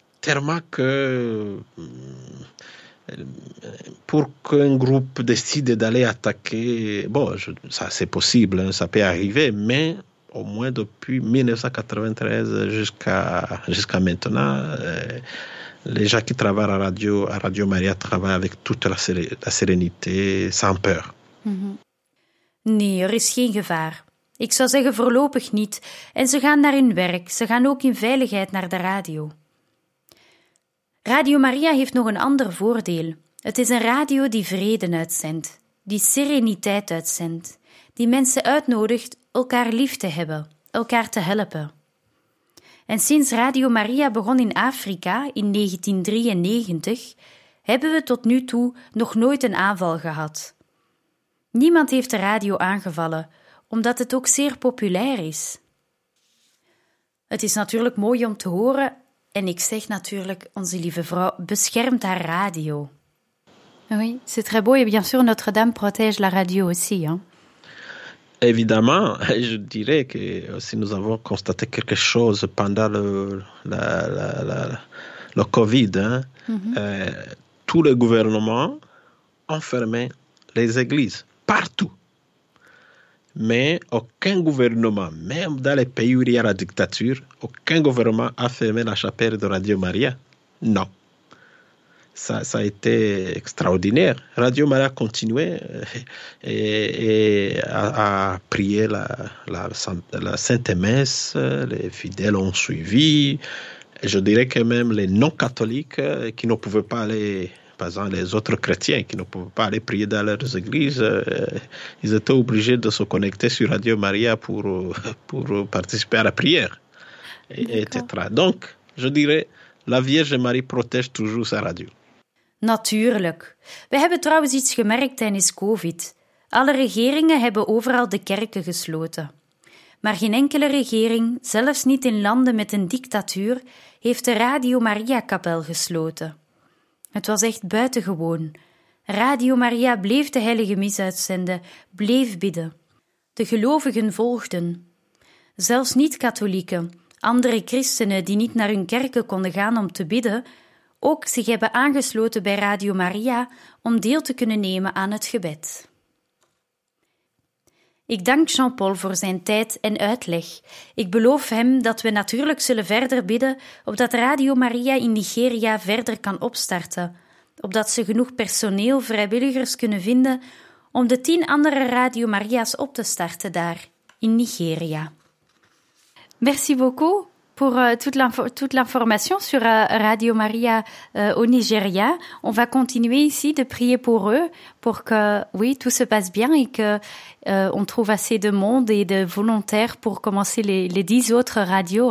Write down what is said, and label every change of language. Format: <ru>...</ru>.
<fr>Tellement que pour qu'un groupe décide d'aller attaquer, ça c'est possible, hein, ça peut arriver, mais au moins depuis 1993 jusqu'à maintenant, les gens qui travaillent à Radio Maria travaillent avec toute la sérénité, sans peur.</fr> <nl>Mm-hmm. Nee, er is geen gevaar. Ik zou zeggen voorlopig niet. En ze gaan naar hun werk, ze gaan ook in veiligheid naar de radio. Radio Maria heeft nog een ander voordeel. Het is een radio die vrede uitzendt, die sereniteit uitzendt, die mensen uitnodigt elkaar lief te hebben, elkaar te helpen. En sinds Radio Maria begon in Afrika in 1993, hebben we tot nu toe nog nooit een aanval gehad. Niemand heeft de radio aangevallen, omdat het ook zeer populair is. Het is natuurlijk mooi om te horen. En ik zeg natuurlijk, onze lieve vrouw beschermt haar radio.</nl> <fr>Oui, c'est très beau. Et bien sûr, Notre-Dame protège la radio aussi. Hein? Évidemment, je dirais que si nous avons constaté quelque chose pendant le Covid, hein, tous les gouvernements ont fermé les églises, partout. Mais aucun gouvernement, même dans les pays où il y a la dictature, aucun gouvernement a fermé la chapelle de Radio Maria. Non. Ça a été extraordinaire. Radio Maria a continué et a prié la Sainte Messe, les fidèles ont suivi. Je dirais que même les non-catholiques qui ne pouvaient pas aller, par exemple les autres chrétiens qui ne pouvaient pas aller prier dans leurs églises, ils étaient obligés de se connecter sur Radio Maria pour participer à la prière, etc. Donc, je dirais, la Vierge Marie protège toujours sa radio.</fr> <nl>Natuurlijk. We hebben trouwens iets gemerkt tijdens COVID. Alle regeringen hebben overal de kerken gesloten. Maar geen enkele regering, zelfs niet in landen met een dictatuur, heeft de Radio Maria-kapel gesloten. Het was echt buitengewoon. Radio Maria bleef de heilige mis uitzenden, bleef bidden. De gelovigen volgden. Zelfs niet-katholieken, andere christenen die niet naar hun kerken konden gaan om te bidden, ook zich hebben aangesloten bij Radio Maria om deel te kunnen nemen aan het gebed. Ik dank Jean-Paul voor zijn tijd en uitleg. Ik beloof hem dat we natuurlijk zullen verder bidden opdat Radio Maria in Nigeria verder kan opstarten, opdat ze genoeg personeel, vrijwilligers kunnen vinden om de 10 andere Radio Maria's op te starten daar, in Nigeria.</nl> <fr>Merci beaucoup pour toute l'information sur Radio Maria au Nigeria. On va continuer ici de prier pour eux, pour que oui, tout se passe bien et que on trouve assez de monde et de volontaires pour commencer les 10 autres radios.</fr>